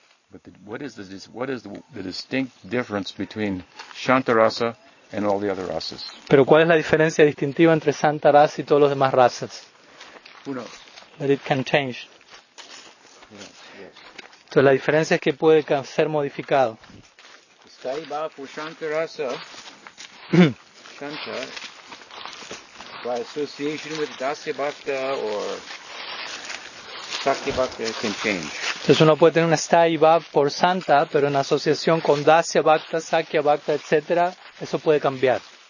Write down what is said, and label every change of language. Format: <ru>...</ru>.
<en>But what is the distinct difference between Shantarasa and all the other rasas?</en> <es>Pero ¿cuál es la diferencia distintiva entre Shantarasa y todos los demás razas?</es> <en>Who knows? That it can change. Yes.</en> <es>Entonces la diferencia es que puede ser modificado.</es> <en>Stay back for Shantarasa. Shanta. By association with Dasya Bhakta or Shakti Bhakta can change.</en> <es>Entonces uno puede tener una Stai Bhav por Santa, pero en asociación con Dasya Bhakta, Sakya Bhakta, etc., eso puede cambiar.</es>